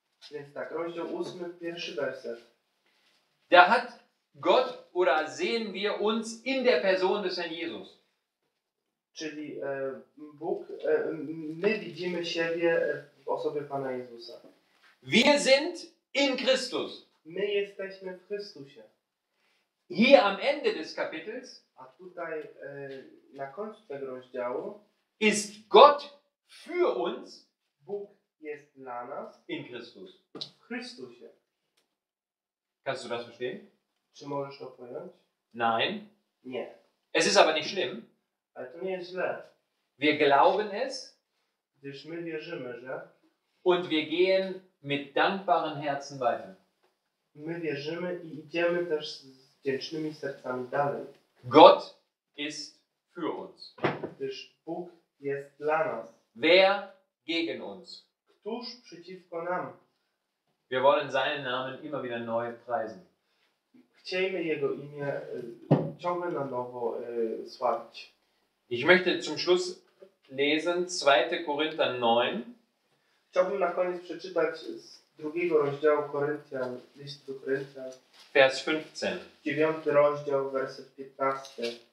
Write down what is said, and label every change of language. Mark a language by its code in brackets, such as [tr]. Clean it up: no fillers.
[pl] Więc tak, rozdział 8, pierwszy werset. [de] Da hat Gott, oder sehen wir uns in der Person des Herrn Jesus. [pl] Czyli Bóg, my widzimy siebie w osobie Pana Jezusa. [de] Wir sind in Christus. [pl] My jesteśmy w Chrystusie. [de] Hier am Ende des Kapitels, [pl] a tutaj na końcu tego rozdziału, [de] ist Gott für uns, [pl] Bóg jest dla nas, [de] in Christus. [pl] W Chrystusie. [de] Kannst du das verstehen? [pl] Czy możesz to pojąć? [de] Nein. [pl] Nie. [de] Es ist aber nicht schlimm. [pl] Ale to nie jest źle. [de] Wir glauben es, [pl] gdyż my wierzymy, że [de] und wir gehen mit dankbaren Herzen weiter. [pl] My wierzymy i idziemy też z wdzięcznymi sercami dalej. [de] Gott ist für uns. [pl] Gdyż Bóg jest dla nas. [de] Wer gegen uns? [pl] Któż przeciwko nam? [de] Wir wollen seinen Namen immer wieder neu preisen. [pl] Chcemy Jego imię ciągle na nowo sławić. [de] Ich möchte zum Schluss lesen 2. Korinther 9. [pl] Chciałbym na koniec przeczytać z drugiego rozdziału Koryntian, listu do Koryntian. [de] Vers 15. [pl] 9 rozdział, werset 15.